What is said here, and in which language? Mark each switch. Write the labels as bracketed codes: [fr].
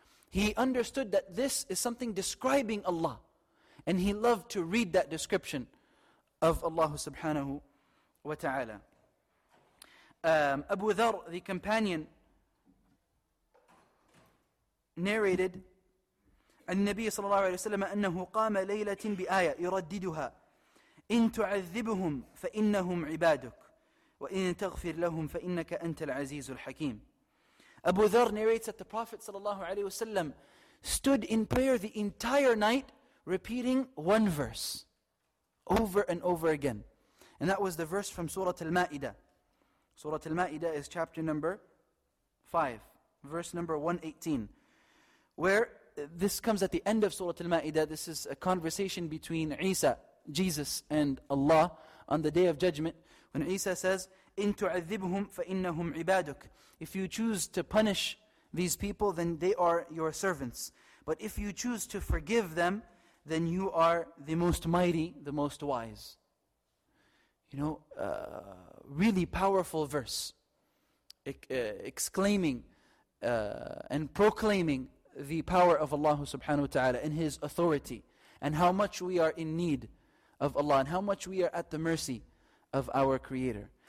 [en] He understood that this is something describing Allah. And he loved to read that description of Allah subhanahu wa ta'ala. Abu Dharr, the companion, narrated [ar] النبي صلى الله عليه وسلم أنه قام ليلة بآية يرددها إن تعذبهم فإنهم عبادك وإن تغفر لهم فإنك أنت العزيز الحكيم. [en] Abu Dharr narrates that the Prophet صلى الله عليه وسلم stood in prayer the entire night repeating one verse over and over again. And that was the verse from Surah Al-Ma'idah. Surah Al-Ma'idah is chapter number 5, verse number 118. Where this comes at the end of Surah Al-Ma'idah, this is a conversation between Isa, Jesus, and Allah on the Day of Judgment. When Isa says, [ar] إِن تُعَذِّبْهُمْ فَإِنَّهُمْ عِبَادُكَ. [en] If you choose to punish these people, then they are your servants. But if you choose to forgive them, then you are the most mighty, the most wise. You know, really powerful verse, exclaiming and proclaiming the power of Allah subhanahu wa ta'ala and His authority, and how much we are in need of Allah, and how much we are at the mercy of our Creator.